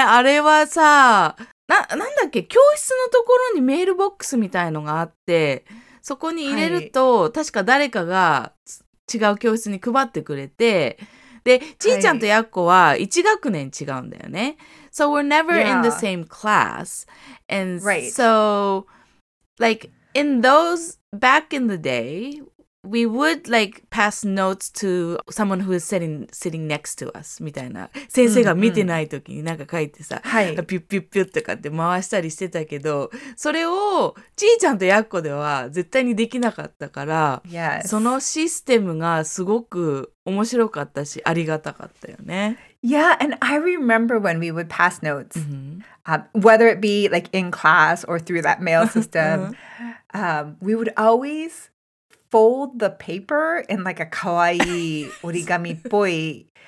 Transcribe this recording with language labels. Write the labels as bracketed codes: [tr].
[ja] あれはさ、なんだっけ、教室のところにメールボックスみたいのがあって、そこに入れると、はい、確か誰かが違う教室に配ってくれて、で、ちーちゃんとやっこは1学年違うんだよね。はい、 [en] so we're never in the same class. And right. so, like, in those, back in the day, we would, like, pass notes to someone who is sitting next to us, [ja] みたいな。先生が見てない時になんか書いてさ、はい、ピュッピュッピュッとかって回したりしてたけど、それを、ちーちゃんとやっこでは絶対にできなかったから、 [en] yes. [ja] そのシステムがすごく面白かったし、ありがたかったよね。 [en] Yeah, and I remember when we would pass notes,、mm-hmm. Whether it be, like, in class or through that mail system, we would always... fold the paper in like a kawaii origami boy.